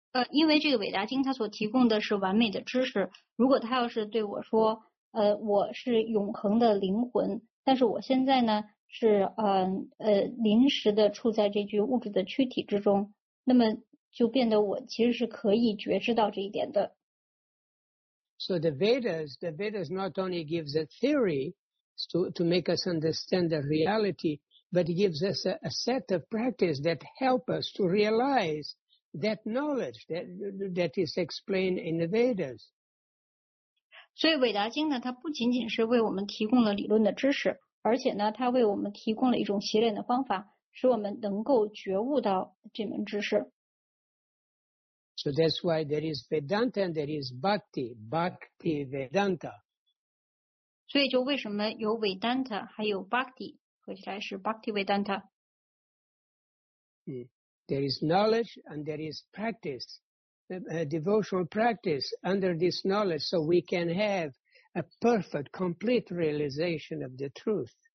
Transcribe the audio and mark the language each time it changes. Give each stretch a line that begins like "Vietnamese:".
Chinese: 因为这个韦达经它所提供的是完美的知识。如果他要是对我说，我是永恒的灵魂，但是我现在呢？是临时的处在这具物质的躯体之中，那么就变得我其实是可以觉知到这一点的。
English: So the Vedas not only gives a theory to make us understand the reality, but he gives us a set of practice that help us to realize that knowledge that is explained in the Vedas.
Chinese: 所以伟达经呢，它不仅仅是为我们提供了理论的知识，而且呢，它为我们提供了一种习练的方法，使我们能够觉悟到这门知识。
English: So that's why there is Vedanta and there is Bhakti, Bhakti Vedanta.
Chinese: 所以就为什么有 Vedanta 还有 Bhakti, 合起来是 Bhakti Vedanta.
English: There is knowledge and there is practice, devotional practice under this knowledge so we can have a perfect, complete realization of the truth.